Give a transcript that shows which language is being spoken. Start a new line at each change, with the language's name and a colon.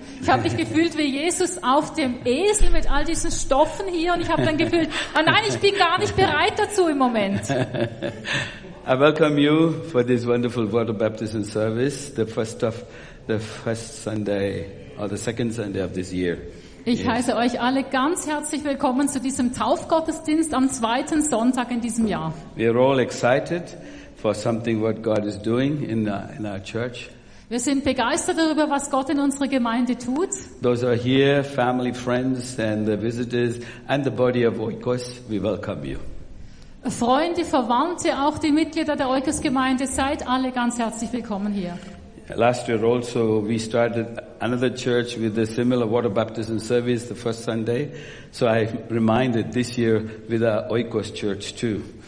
German: Ich habe mich gefühlt wie Jesus auf dem Esel mit all diesen Stoffen hier und ich habe dann gefühlt, oh nein, ich bin gar nicht bereit dazu im Moment.
English: I welcome you for this wonderful Water Baptism Service, the first Sunday or the second Sunday of this year.
German: Ich heiße euch alle ganz herzlich willkommen zu diesem Taufgottesdienst am zweiten Sonntag in diesem Jahr.
English: We are all excited for something what God is doing in our church.
German: Wir sind begeistert darüber, was Gott in unserer Gemeinde tut.
English: Those are here, family, friends and the visitors and the body of Oikos, we welcome you.
German: Freunde, Verwandte, auch die Mitglieder der Oikos-Gemeinde, seid alle ganz herzlich willkommen hier.
English: Last year also we started another church with a similar water baptism service the first Sunday. So I reminded this year with our Oikos church too.